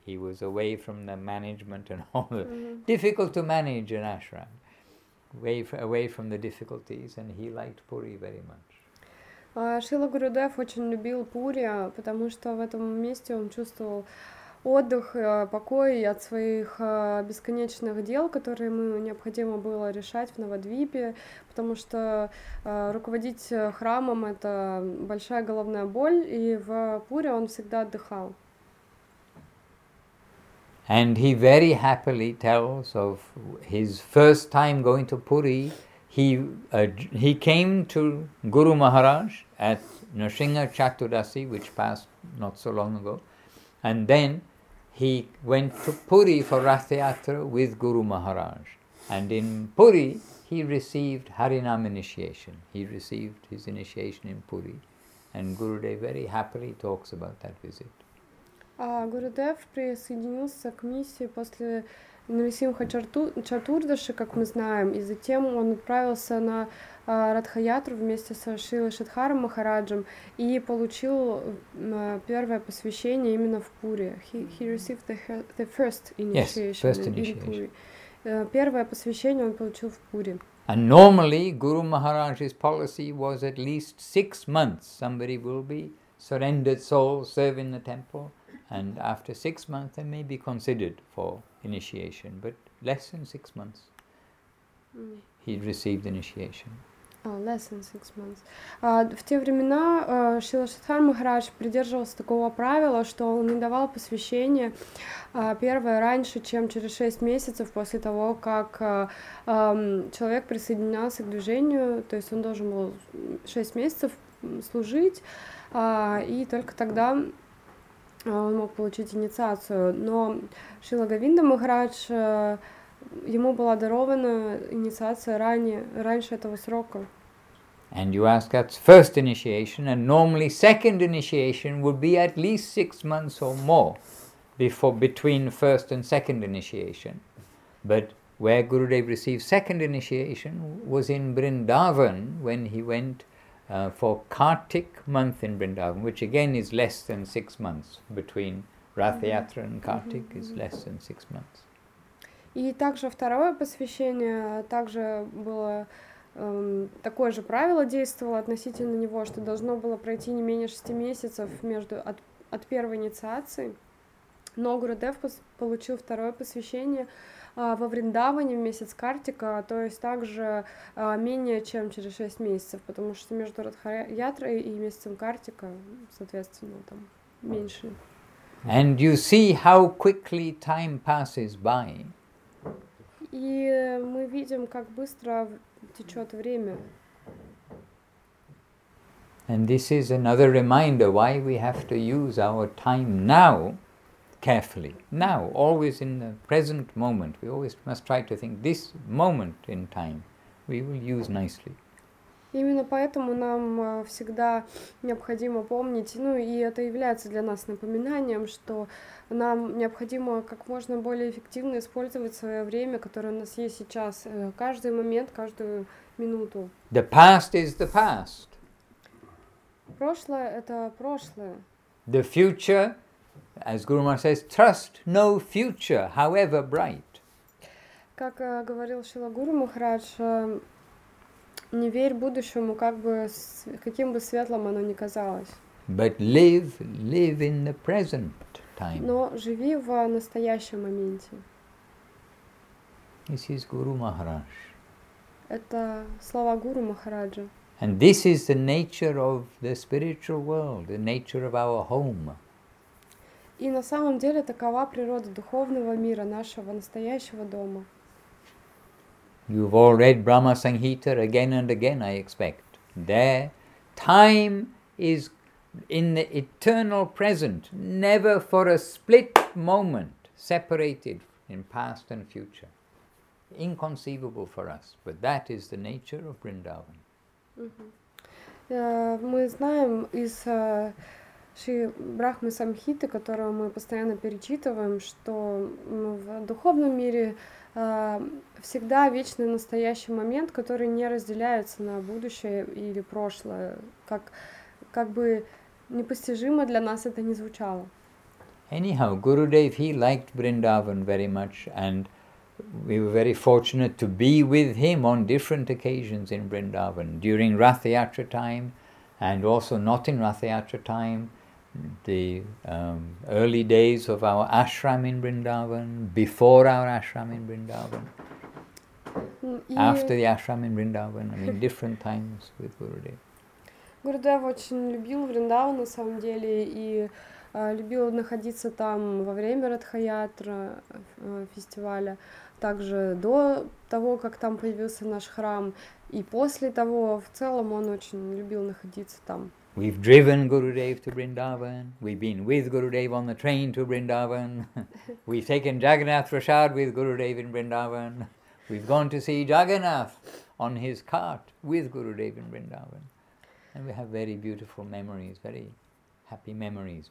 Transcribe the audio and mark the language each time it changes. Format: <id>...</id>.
<en>He was away from the management and all the... Mm-hmm. Difficult to manage an ashram. Away from the difficulties, and he liked Puri very much.</en> <ru>Srila Gurudev очень любил Puri, потому что в этом месте он чувствовал отдых, покой от своих бесконечных дел, которые ему необходимо было решать в Навадвипе, потому что руководить храмом — это большая головная боль, и в Пуре он всегда отдыхал.</ru> <en>And he very happily tells of his first time going to Puri. He came to Guru Maharaj at Narsingha Chaturdasi, which passed not so long ago, and then he went to Puri for Rath Yatra with Guru Maharaj. And in Puri, he received Harinam initiation. He received his initiation in Puri. And Gurudev very happily talks about that visit.</en> <ru>Gurudev присоединился к миссии после Нарисимха Чатурдаши, как мы знаем, и затем он отправился на Радха-ятру вместе со Шрилой Шридхаром Махараджем и получил первое посвящение именно в Пуре.</ru> <en>He received the first initiation, yes, first initiation in Puri.</en> <ru>Первое посвящение он получил в Пуре.</ru> <en>And normally Guru Maharaj's policy was at least 6 months somebody will be surrendered soul serving the temple, and after 6 months they may be considered for initiation, but less than 6 months he received initiation. Less than 6 months.</en> <ru>В те времена Шрила Шридхар Махарадж придерживался такого правила, что он не давал посвящение первое раньше, чем через 6 месяцев после того, как человек присоединялся к движению, то есть он должен был 6 месяцев служить, и только тогда он мог получить инициацию. Но Шрила Говинда Махарадж, ему была дарована инициация раньше этого срока.</ru> <en>And you ask, that's first initiation, and normally second initiation would be at least 6 months or more between first and second initiation. But where Gurudev received second initiation was in Vrindavan when he went For Kartik month in Vrindavan, which again is less than 6 months between Rathayatra and Kartik, is less than 6 months.</en> <ru>И также второе посвящение также было такое же правило действовало относительно него, что должно было пройти не менее 6 месяцев между от первой инициации. Но Гурудев получил второе посвящение во Вриндаване в месяц Картика, то есть также менее чем через 6 месяцев, потому что между Радхаятрой и месяцем Картика, соответственно, там меньше.</ru> <en>And you see how quickly time passes by.</en> <ru>И мы видим, как быстро течет время.</ru> <en>And this is another reminder why we have to use our time now carefully. Now, always in the present moment, we always must try to think this moment in time we will use nicely.</en> <ru>Именно поэтому нам всегда необходимо помнить, ну и это является для нас напоминанием, что нам необходимо как можно более эффективно использовать свое время, которое у нас есть сейчас, каждый момент, каждую минуту.</ru> <en>The past is the past.</en> <ru>Прошлое — это прошлое.</ru> <en>The future, as Guru Maharaj says, trust no future, however bright.</en> <ru>Как говорил Шрила Гуру Махарадж, не верь будущему, как бы каким бы светлым оно ни казалось.</ru> <en>But live in the present time.</en> <ru>Но живи в настоящем моменте.</ru> <en>This is Guru Maharaj.</en> <ru>Это слова Гуру Махараджа.</ru> <en>And this is the nature of the spiritual world, the nature of our home.</en> <ru>И на самом деле такова природа духовного мира, нашего настоящего дома.</ru> <en>You've all read Brahma Sanhita again and again, I expect. There, time is in the eternal present, never for a split moment separated in past and future. Inconceivable for us, but that is the nature of Vrindavan.</en> <ru>Мы знаем из Шри Брахмы Самхиты, которую мы постоянно перечитываем, что в духовном мире всегда вечный настоящий момент, который не разделяется на будущее или прошлое, как бы непостижимо для нас это не звучало.</ru> <en>Anyhow, Gurudev, he liked Vrindavan very much, and we were very fortunate to be with him on different occasions in Vrindavan, during Rathayatra time, and also not in Rathayatra time, the early days of our ashram in Vrindavan, before our ashram in Vrindavan, after the ashram in Vrindavan, I mean, different times with Gurudev.</en> <ru>Gurudev очень любил Vrindavan, на самом деле, и любил находиться там во время Радхаятра фестиваля, также до того, как там появился наш храм, и после того, в целом, он очень любил находиться там.</ru> <en>We've driven Gurudev to Vrindavan. We've been with Gurudev on the train to Vrindavan. We've taken Jagannath Prasad with Gurudev in Vrindavan. We've gone to see Jagannath on his cart with Gurudev in Vrindavan. And we have very beautiful memories, very happy memories.</en>